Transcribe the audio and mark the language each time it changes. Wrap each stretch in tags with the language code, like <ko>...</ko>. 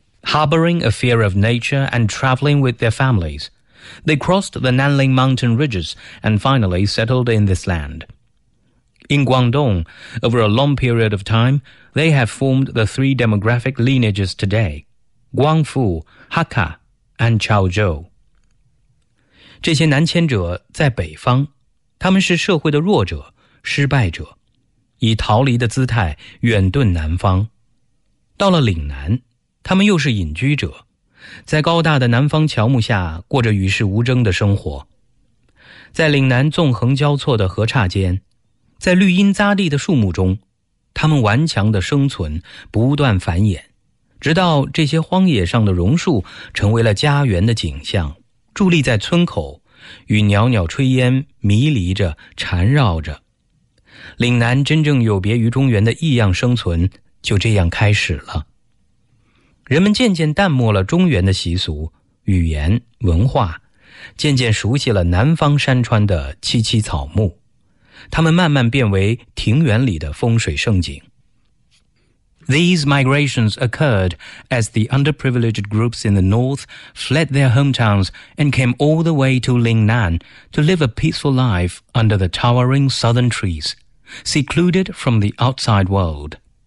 <en>Harboring a fear of nature and traveling with their families, they crossed the Nanling mountain ridges and finally settled in this land. In Guangdong, over a long period of time, they have formed the three demographic lineages today, Guangfu, Hakka, and Chaozhou.</en> <zh>这些南迁者在北方，他们是社会的弱者。失败者以逃离的姿态远遁南方，到了岭南，他们又是隐居者，在高大的南方乔木下过着与世无争的生活。在岭南纵横交错的河岔间，在绿荫匝地的树木中，它们顽强地生存，不断繁衍，直到这些荒野上的榕树成为了家园的景象，伫立在村口，与袅袅炊烟迷离着，缠绕着。岭南真正有别于中原的异样生存就这样开始了。人们渐渐淡漠了中原的习俗、语言、文化，渐渐熟悉了南方山川的萋萋草木，它们慢慢变为庭园里的风水胜景。</zh> <en>These migrations occurred as the underprivileged groups in the north fled their hometowns and came all the way to Lingnan to live a peaceful life under the towering southern trees, secluded from the outside world.</en>